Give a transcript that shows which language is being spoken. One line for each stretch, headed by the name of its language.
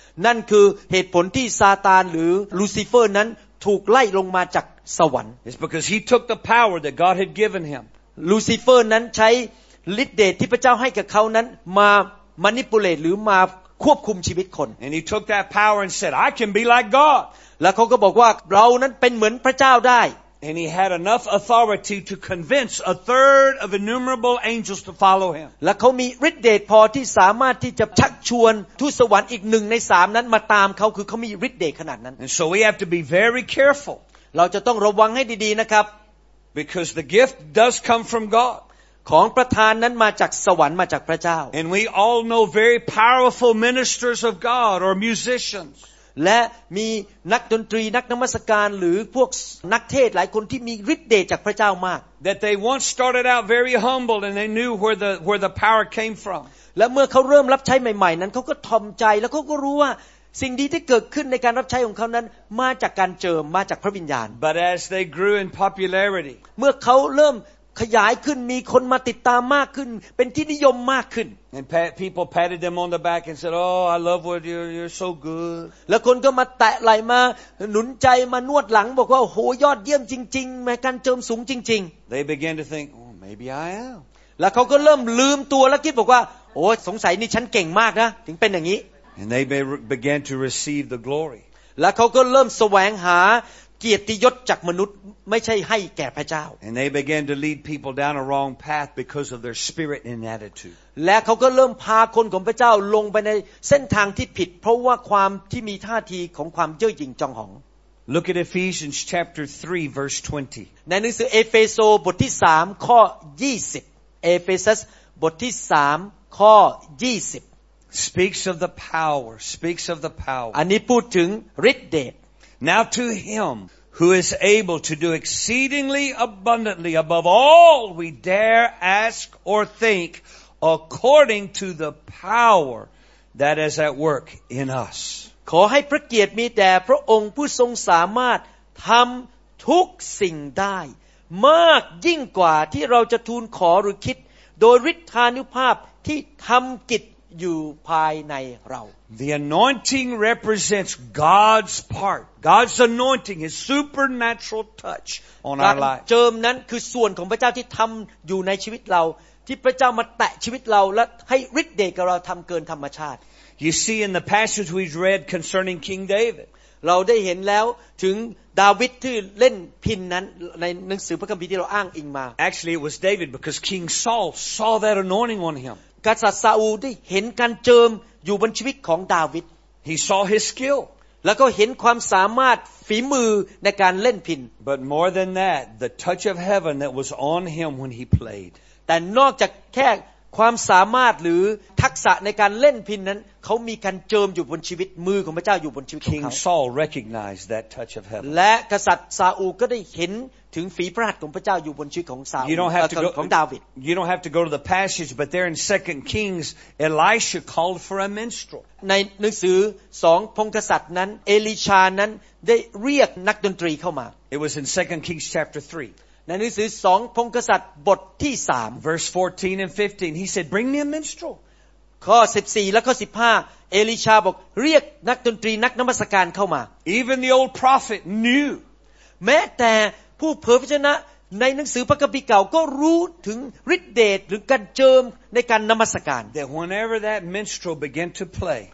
Thai: นั่นคือเหตุผลที่ซาตานหรือลูซิเฟอร์นั้นถูกไล่ลงมาจากสวรรค์
English: It's because he took the power that God had given him
Thai: ลูซิเฟอร์นั้นใช้ฤทธิ์เดชที่พระเจ้าให้กับเขานั้นมา manipulate หรือมาควบคุมชีวิตคน
English: And he took that power and said I can be like God
Thai: แล้วเขาก็บอกว่าเรานั้นเป็นเหมือนพระเจ้าได้
English: And he had enough authority to convince a third of innumerable angels to follow him.
Thai: และเขามีฤทธิ์เดชพอที่สามารถที่จะชักชวนทูตสวรรค์อีก1ใน3นั้นมาตามเขาคือเขามีฤทธิ์เดชขนาดนั้น
English: And so we have to be very careful.
Thai: เราจะต้องระวังให้ดีๆนะครับ
English: Because the gift does come from God.
Thai: ของประธานนั้นมาจากสวรรค์มาจากพระเจ้า
English: And we all know very powerful ministers of God or musicians
Thai: และมีนักดนตรีนักนมัสการหรือพวกนักเทศหลายคนที่มีฤทธิ์เดชจากพระเจ้ามาก
English: That they once started out very humble and they knew where the power came from
Thai: และเมื่อเขาเริ่มรับใช้ใหม่ๆนั้นเขาก็ถ่อมใจแล้วเขาก็รู้ว่าสิ่งดีที่เกิดขึ้นในการรับใช้ของเขานั้นมาจากการเจิมมาจากพระวิญญาณ
English: But as they grew in popularity
Thai: เมื่อเขาเริ่มขยายขึ้นมีคนมาติดตามมากขึ้นเป็นที่นิยมมากขึ้น
English: And people patted them on the back and said oh I love what you're so good
Thai: แล้วคนก็มาแตะไหล่มาหนุนใจมานวดหลังบอกว่าโหยอดเยี่ยมจริงๆแม้การเจิมสูงจริง
English: ๆ They began to think oh maybe I am
Thai: แล้วเขาก็เริ่มลืมตัวแล้วคิดบอกว่าโอ้สงสัยนี่ฉันเก่งมากนะถึงเป็นอย่างนี้
English: And they began to receive the glory
Thai: แล้วเขาก็เริ่มแสวงหาเกียรติยศจากมนุษย์ไม่ใช่ให้แก่พระเจ้า
English: And they began to lead people down a wrong path because of their spirit and attitude
Thai: และเขาก็เริ่มพาคนของพระเจ้าลงไปในเส้นทางที่ผิดเพราะว่าความที่มีท่าทีของความเย่อหยิ่งจองหอง
English: Look at Ephesians chapter 3 verse 20
Thai: ในหนังสือเอเฟซัสบทที่3ข้อ20 Ephesians บทที่3ข้อ20
English: speaks of the power
Thai: อันนี้พูดถึงฤทธิ์เดช
English: Now to him who is able to do exceedingly abundantly above all we dare ask or think according to the power that is at work in us.
Thai: ขอให้พระเกียรติมีแด่พระองค์ผู้ทรงสามารถทำทุกสิ่งได้มากยิ่งกว่าที่เราจะทูลขอหรือคิดโดยฤทธานุภาพที่ทำกิจอยู่ภายในเรา
English: The anointing represents God's part. God's anointing, His supernatural touch on our life.
Thai: เจิมนั้นคือส่วนของพระเจ้าที่ทำอยู่ในชีวิตเราที่พระเจ้ามาแตะชีวิตเราและให้ฤทธิ์เดชกับเราทำเกินธรรมชาติ
English: You see in the passage we read concerning King David.
Thai: เราได้เห็นแล้วถึงดาวิดที่เล่นพินนั้นในหนังสือพระคัมภีร์ที่เราอ้างอิงมา
English: Actually, it was David because King Saul saw that anointing on him.
Thai: กษัตริย์ซาอูลได้เห็นการเจิมอยู่บนชีวิตของดาวิด
English: He saw his skill
Thai: แล้วก็เห็นความสามารถฝีมือในการเล่นพิณ
English: But more than that the touch of heaven that was on him when he played
Thai: แต่นอกจากแค่ความสามารถหรือทักษะในการเล่นพิณนั้นเขามีการเจิมอยู่บนชีวิตมือของพระเจ้าอยู่บนชีวิตของเขา
English: King Saul recognized that touch of heaven
Thai: และกษัตริย์ซาอูลก็ได้เห็นถึงฝีพระหัตถ์ของพระเจ้าอยู่บนชีวิตของซาอูลของดาวิด
English: You don't have to go to the passage but there in 2 Kings Elisha called for a minstrel
Thai: ในหนังสือ2พงศ์กษัตริย์นั้นเอลีชานั้นได้เรียกนักดนตรีเข้ามา
English: It was in 2 Kings chapter 3
Thai: ในหนังสือ2พงศ์กษัตริย์บทที่3
English: verse 14 and 15 he said bring me a minstrel
Thai: ข้อ14และข้อ15เอลีชาบอกเรียกนักดนตรีนักนมัสการเข้ามา
English: Even the old prophet knew
Thai: แม้แต่ผู้เผยพระชนะในหนังสือพระคัมภีร์เก่าก็รู้ถึงฤทธิ์เดชหรือการเจิมในการนมัสการ
English: That whenever that minstrel began to play